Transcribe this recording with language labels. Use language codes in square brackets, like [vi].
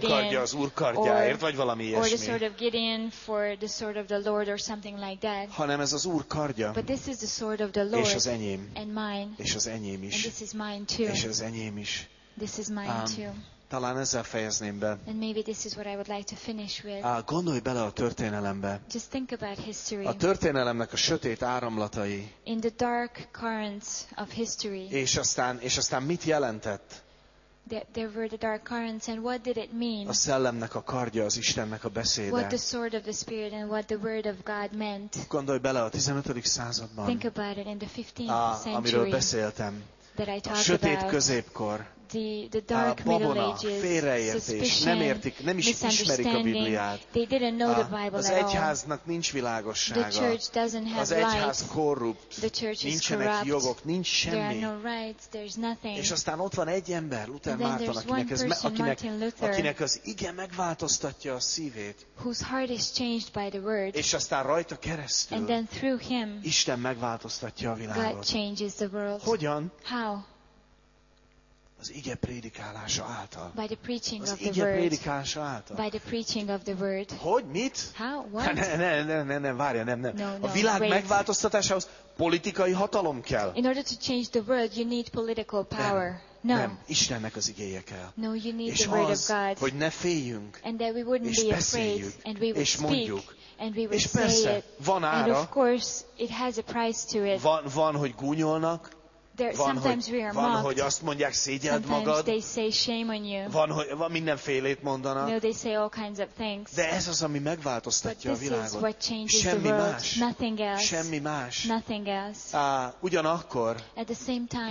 [hu] Vagy hogy Gedeon kardja az Úr kardjáért, vagy valami ilyesmi. [en] Or the sword of Gideon for the sword of the Lord or something like that. [hu] Hanem ez az Úr kardja. [en] But this is the sword of the Lord. [hu] És az enyém. [en] And mine. [hu] És az enyém is. [en] And this is mine too. [hu] És az enyém is. [en] This is mine too. [hu] Talán ezzel fejezném be. [en] And maybe this is what I would like to finish with. [hu] Gondolj bele a történelembe. [en] Just think about history. [hu] A történelemnek a sötét áramlatai. [en] In the dark currents of history. [hu] És aztán mit jelentett? [en] There were the dark currents, and what did it mean? [hu] A szellemnek a kardja, az Istennek a beszéde. [en] What the sword of the Spirit and what the word of God meant. [hu] Gondolj bele a 15. században. [en] Think about it in the 15th century. [hu] Amiről beszéltem. [en] That I talked [hu] a sötét [en] about. [hu] Középkor. [en] The dark [hu] babona, [en] middle ages, [hu] félreértés, [en] suspicion, [hu] nem értik, nem is ismerik a Bibliát. [en] They didn't know the Bible [hu] az egyháznak nincs világossága. [en] The church doesn't have [hu] az egyház korrupt. [en] The church is [hu] nincsenek [en] corrupt. [hu] Jogok, nincs semmi. [en] There are no rights, there's nothing. [hu] És aztán ott van egy ember, Luther Márton, akinek az ige megváltoztatja a szívét. [en] Whose heart is changed by the word. [hu] És aztán rajta keresztül. [en] And then through him, [hu] Isten megváltoztatja a világot. [en] God changes the world. [hu] Hogyan? [en] How? [hu] Az ige prédikálása által. [en] By the preaching [hu] az [en] of the word. [hu] Az ige prédikálása által. [en] By the preaching of the word. [hu] Hogy mit? [en] How? What? [hu] Nem, várja. [en] No, [hu] a világ megváltoztatásához politikai hatalom kell. [en] In order to change the world, you need political power. No. [hu] Nem, Istennek az igéje kell. [en] No, you need [hu] és [en] the word of God. [hu] Hogy ne féljünk. [en] And that we wouldn't [hu] és [en] be afraid. And we would [hu] és mondjuk. [en] And we would [hu] és persze, [en] say it. [hu] Van ára. [en] And of course, it has a price to it. [hu] Van, hogy gúnyolnak. Van, hogy azt mondják, szégyeld magad. [en] They say shame on you. [hu] Van mindenfélét mondanak. [en] No, they say all kinds of things. [hu] De ez az, ami megváltoztatja a világot. [en] But this is what changes [hu] semmi [en] the world. [hu] Más. [en] Nothing else. [hu] Semmi más. [en] Nothing else. [hu] Ugyanakkor, [en] at the same time,